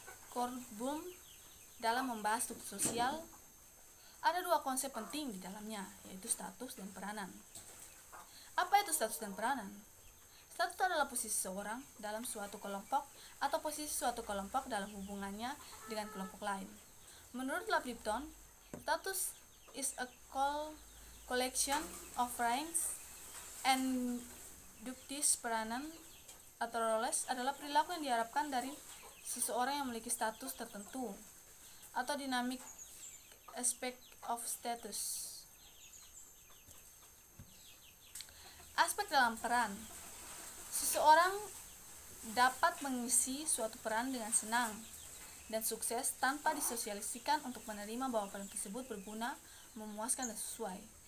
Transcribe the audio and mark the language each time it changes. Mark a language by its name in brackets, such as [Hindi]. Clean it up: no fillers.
[Indonesian] Kornblum dalam membahas struktur sosial ada dua konsep penting di dalamnya, yaitu status dan peranan. Apa itu status dan peranan? Status adalah posisi seseorang dalam suatu kelompok atau posisi suatu kelompok dalam hubungannya dengan kelompok lain. Menurut Lipton, [English] status is a collection of ranks and duties. [Indonesian] Peranan atau roles adalah perilaku yang diharapkan dari seseorang yang memiliki status tertentu atau [English] dynamic aspect of status. [Indonesian] Aspek dalam peran. Seseorang dapat mengisi suatu peran dengan senang dan sukses tanpa disosialisasikan untuk menerima bahwa peran tersebut berguna, memuaskan, dan sesuai.